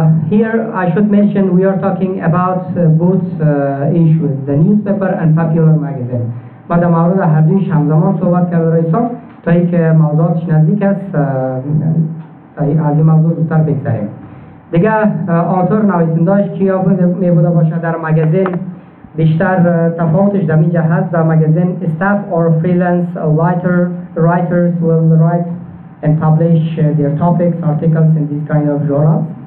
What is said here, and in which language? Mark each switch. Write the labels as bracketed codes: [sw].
[en] Here I should mention we are talking about both issues, the newspaper and popular magazine. [fa] ما در مورد هر دویش همزمان صحبت کرده رایستان تا این که موضوعاتش نزدیک است از این موضوع زودتر بگذاریم. دیگه آتور نویسنداش کیا می بوده باشه در مگزین بیشتر تفاوتش در اینجا هست. در مگزین [en] staff or freelance writer, writers will write and publish their topics, articles in these kind of journals.